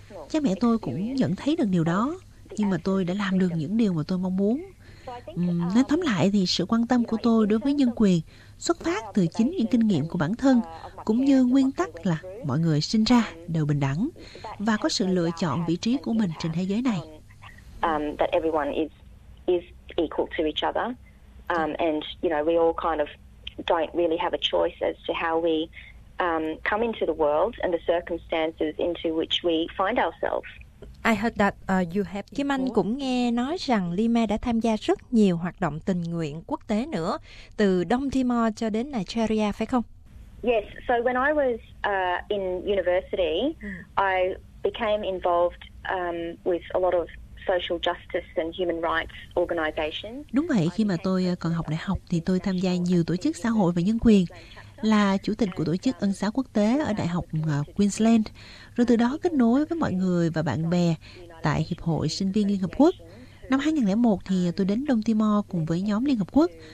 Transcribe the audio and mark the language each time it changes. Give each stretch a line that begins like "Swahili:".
Vietnamese: Cha mẹ tôi cũng nhận thấy được điều đó, nhưng mà tôi đã làm được những điều mà tôi mong muốn. Nói tóm lại thì sự quan tâm của tôi đối với nhân quyền xuất phát từ chính những kinh nghiệm của bản thân, cũng như nguyên tắc là mọi người sinh ra đều bình đẳng và có sự lựa chọn vị trí của mình trên thế giới này.
English: That everyone is equal to each other. And you know, we all kind of don't really have a choice as to how we come into the world and the circumstances into which we find ourselves. I heard that you have
Vietnamese: Kim Anh cũng nghe nói rằng Lima đã tham gia rất nhiều hoạt động tình nguyện quốc tế nữa, từ Đông Timor cho đến Nigeria phải không?
English: Yes, so when I was in university, I became involved with a lot of social justice and human rights organizations.
Vietnamese: Đúng vậy, khi mà tôi còn học đại học thì tôi tham gia nhiều tổ chức xã hội và nhân quyền. Là chủ tịch của tổ chức ân xá quốc tế ở Đại học Queensland, rồi từ đó kết nối với mọi người và bạn bè tại Hiệp hội Sinh viên Liên Hợp Quốc. Năm 2001 thì tôi đến Đông Timor cùng với nhóm Liên Hợp Quốc,